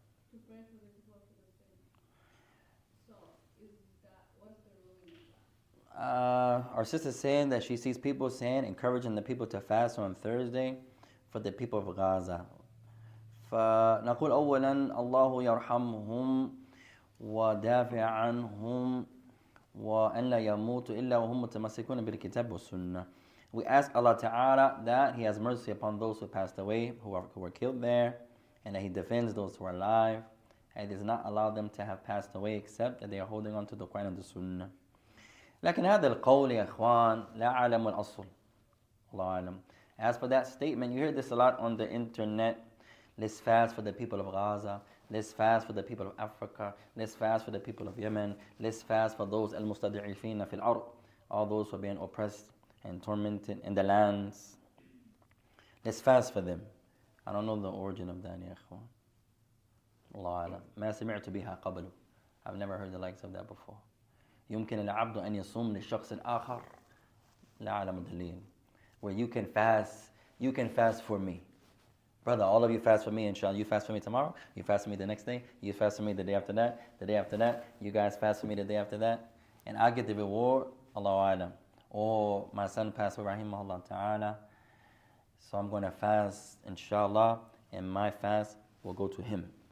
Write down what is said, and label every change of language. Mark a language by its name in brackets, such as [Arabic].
[English] To pray for the people for the sake. So, is that, what's the ruling of that? Our sister is saying that she sees people saying, encouraging the people to fast on Thursday for the people of Gaza. [Arabic] فَنَقُولْ أَوَّلًا اللَّهُ يَرْحَمْهُمْ ودافع عنهم وأن لا يموت إلا وهم متمسكون بالكتاب والسنة. [English] We ask Allah Ta'ala that He has mercy upon those who passed away, who were killed there, and that He defends those who are alive, and does not allow them to have passed away except that they are holding on to the Quran and the Sunnah. [Arabic] لكن هذا القول يا إخوان لا أعلم الأصل. الله أعلم. [English] As for that statement, you hear this a lot on the internet. Let's fast for the people of Gaza. Let's fast for the people of Africa. Let's fast for the people of Yemen. Let's fast for those [Arabic] المستضعفين في الأرض. [English] All those who are being oppressed and tormented in the lands. Let's fast for them. I don't know the origin of that, [Arabic] يا إخوان. الله أعلم. ما سمعت بها قبل. [English] I've never heard the likes of that before. [Arabic] يمكن العبد أن يصوم لشخص آخر. لا أعلم الدليل. [English] Where you can fast for me. Brother, all of you fast for me, inshallah. You fast for me tomorrow, you fast for me the next day, you fast for me the day after that, you guys fast for me the day after that, and I get the reward, Allahu A'lam. Oh, my son passed away, rahimahullah ta'ala, so I'm going to fast, inshallah, and my fast will go to him.